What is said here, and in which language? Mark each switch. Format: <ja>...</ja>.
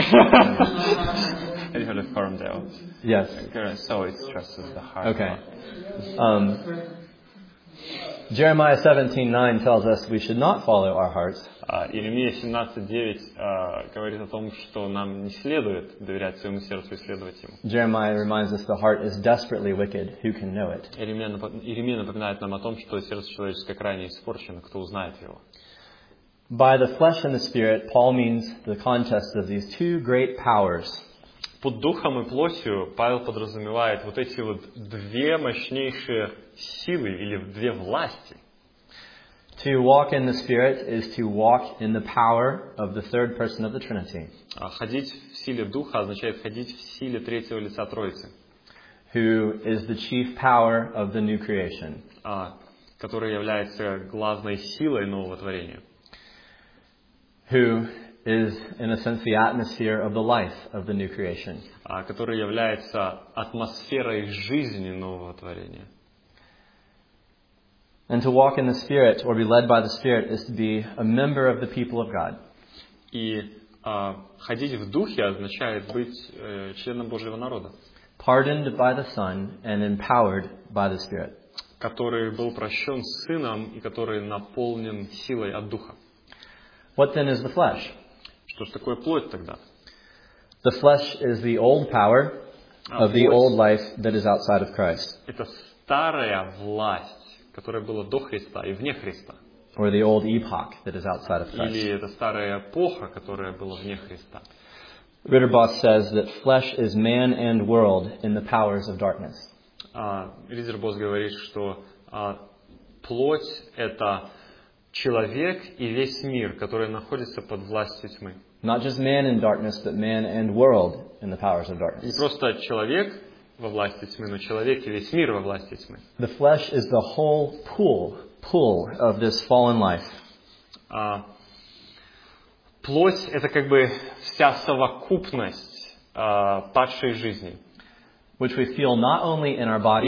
<en>Have you heard of Farmdale? Yes. So it stresses the heart. Okay. Jeremiah 17:9 tells us we should not follow our hearts.</en> <ru>Иеремия 17:9 говорит о том, что нам не следует доверять своему сердцу и следовать ему.</ru> <en>Jeremiah reminds us the heart is desperately wicked. Who can know it?</en> <ru>Иеремия напоминает нам о том, что сердце человеческое крайне испорчено. Кто узнает его?</ru> <en>By the flesh and the spirit, Paul means the contest of these two great powers.</en> <ru>Под духом и плотью Павел подразумевает вот эти вот две мощнейшие силы или две власти.</ru> <en>To walk in the Spirit is to walk in the power of the third person of the Trinity.</en> <ru>Ходить в силе Духа означает ходить в силе третьего лица Троицы.</ru> <en>Who is the chief power of the new creation.</en> <ru>Который является главной силой нового творения.</ru> <en>Who is, in a sense, the atmosphere of the life of the new creation.</en> <ru>Который является атмосферой жизни нового творения.</ru> <en>And to walk in the Spirit or be led by the Spirit is to be a member of the people of God.</en> <ru>И ходить в духе означает быть членом Божьего народа.</ru> <en>Pardoned by the Son and empowered by the Spirit.</en> <ru>Который был прощен Сыном и который наполнен силой от Духа.</ru> <en>What then is the flesh?</en> <ru>Что ж такое плоть тогда?</ru> <en>The flesh is the old power of the old life that is outside of Christ.</en> <ru>Это старая власть, которая была до Христа и вне Христа.</ru> <en>Or the old epoch that is outside of Christ.</en> <ru>Или это старая эпоха, которая была вне Христа.</ru> <en>Ritterboss says that flesh is man and world in the powers of darkness.</en> <ru>Ritterboss говорит, что плоть это человек и весь мир, который находится под властью тьмы.</ru> <en>Not just man in darkness, but man and world in the powers of darkness.</en> <ru>Не просто человек во власти тьмы, но человек и весь мир во власти тьмы.</ru> <en>The flesh is the whole pool of this fallen life.</en> <ru>Плоть — это как бы вся совокупность падшей жизни.</ru> <en>Which we feel not only in our bodies.</en>